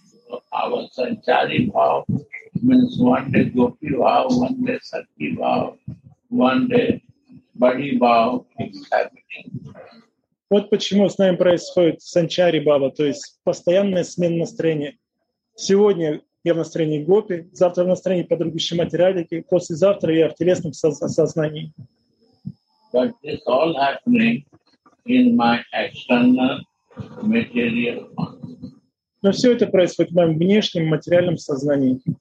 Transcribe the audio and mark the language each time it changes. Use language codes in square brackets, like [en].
[ru] Вот почему с нами происходит санчари-бхава, то есть постоянная смена настроения. Сегодня я в настроении гопи, завтра в настроении подруги Шримати Радики, послезавтра я в телесном сознании. [en] But this all happening in my external material mind. [ru] Но все это происходит в моем внешнем материальном сознании.